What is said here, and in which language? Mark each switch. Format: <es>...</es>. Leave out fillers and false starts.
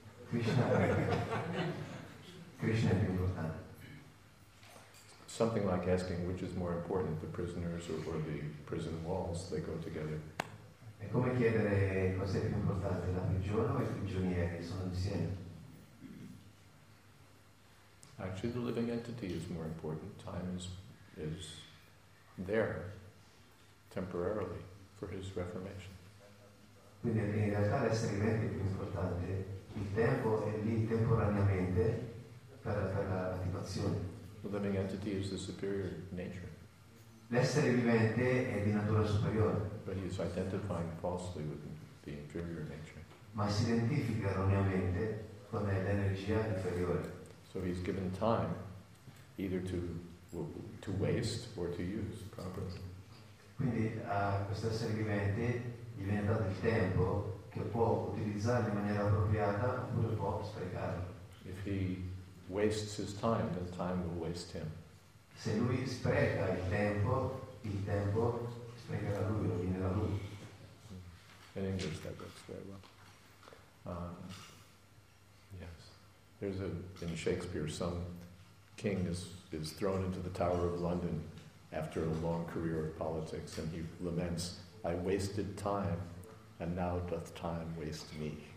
<it>Krishna è più importante.</it> <en>Something like asking which is more important, the prisoners or the prison walls, they go together.</en> <it>È come chiedere cosa è più importante, la prigione o i prigionieri, sono insieme.</it> <en>Actually, the living entity is more important. Time is there temporarily for his reformation.</en> <it>Quindi in realtà l'essere vivente è più importante. Il tempo è lì temporaneamente per la attivazione.</it> <en>The living entity is the superior nature.</en> <it>L'essere vivente è di natura superiore.</it> <en>But he is identifying falsely with the inferior nature.</en> <it>Ma si identifica erroneamente con l'energia inferiore.</it> <en>So he's given time either to waste or to use properly.</en> <it>Quindi a questo essere vivente gli viene dato il tempo che può utilizzare in maniera appropriata oppure può sprecarlo.</it> <en>If he wastes his time, then time will waste him.</en> <it>Se lui spreca il tempo spreca da lui, rovina da lui.</it> <en>In English that works very well. Yes. There's in Shakespeare, some king is thrown into the Tower of London after a long career of politics, and he laments, "I wasted time, and now doth time waste me."</en>